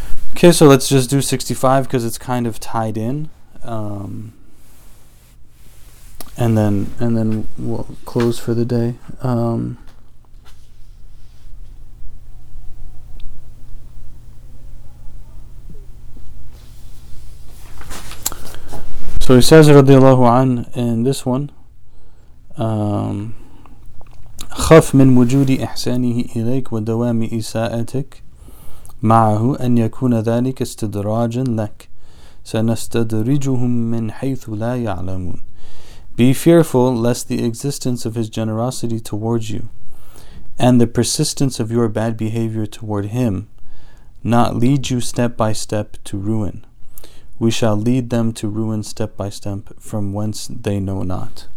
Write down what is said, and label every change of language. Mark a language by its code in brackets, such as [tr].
[en] Okay, so let's just do 65 because it's kind of tied in. And then we'll close for the day. So he says, radiallahu anhu, in this one, [ar] خف من وجود إحسانه إليك ودوام إساءتك معه أن يكون ذلك استدراجا لك سنستدرجهم من حيث لا يعلمون. [en] Be fearful lest the existence of his generosity towards you and the persistence of your bad behavior toward him not lead you step by step to ruin. We shall lead them to ruin step by step from whence they know not.